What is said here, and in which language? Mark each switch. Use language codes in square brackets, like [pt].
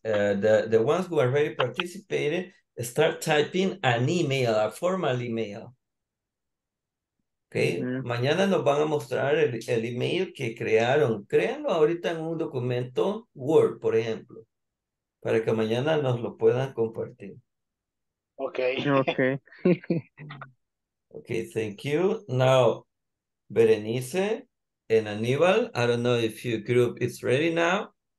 [en] The ones who already participated, start typing an email, a formal email. Okay. Mm-hmm. [es] Mañana nos van a mostrar el email que crearon. Créanlo ahorita en un documento Word, por ejemplo, para que mañana nos lo puedan compartir. [en] Okay. Okay. Okay. Thank you. Now, Berenice and Aníbal, I don't know if your group is ready now.